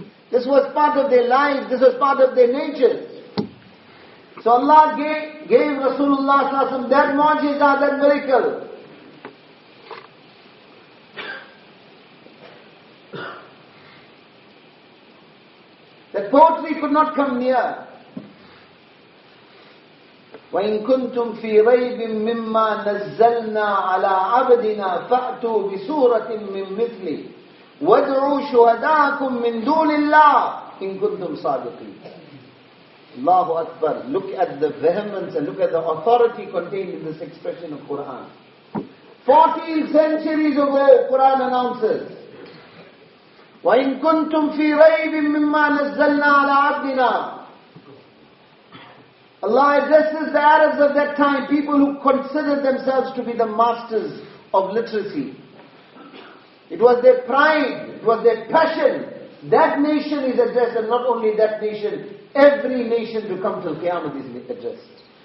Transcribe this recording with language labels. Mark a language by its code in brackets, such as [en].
[en] This was part of their lives, this was part of their nature. So Allah gave Rasulullah that mu'jiza, that miracle. That poetry could not come near. [ar] وَإِن كُنْتُمْ فِي رَيْبٍ مِمَّا نَزَّلْنَا عَلَىٰ عَبْدِنَا فَأْتُوا بِسُورَةٍ مِّن مِثْلِهِ وَادْعُوا شُهَدَاءَكُمْ مِن دُونِ اللَّهِ إِن كُنْتُمْ صَادِقِينَ Allahu Akbar. [en] Look at the vehemence and look at the authority contained in this expression of Quran. 14 centuries ago, Quran announces, [ar] وَإِن كُنْتُمْ فِي رَيْبٍ مِمَّا نَزَّلْنَا عَلَىٰ عَبْدِنَا. [en] Allah addresses the Arabs of that time, people who considered themselves to be the masters of literacy. It was their pride, it was their passion. That nation is addressed, and not only that nation, every nation to come till Qiyamah is addressed.